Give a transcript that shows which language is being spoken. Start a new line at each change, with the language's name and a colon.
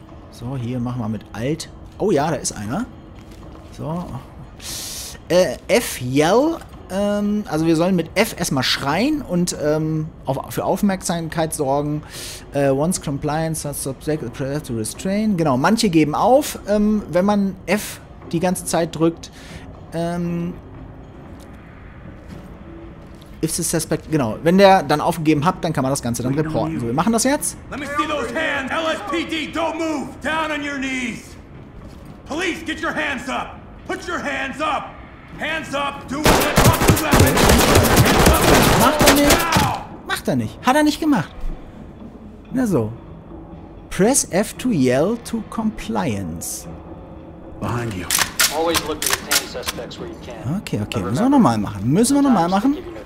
German: So, hier machen wir mit Alt. Oh ja, da ist einer. So. F, yell. Also wir sollen mit F erstmal schreien und für Aufmerksamkeit sorgen.
English: Once compliance, that subject is prepared to restrain.
German: Genau, manche geben auf, wenn man F die ganze Zeit drückt.
English: If the suspect,
German: genau, wenn der dann aufgegeben hat, dann kann man das Ganze dann reporten. So, wir machen das jetzt.
English: Let me see those hands. LSPD, don't move. Down on your knees. Police, get your hands up. Put your hands up. Hands up. Do it.
German: Macht er nicht. Macht er nicht. Hat er nicht gemacht. Na so.
English: Press F to yell to compliance. Behind you. Always look at the same suspects where you can. Okay, okay.
German: Müssen wir nochmal machen. Müssen wir nochmal machen.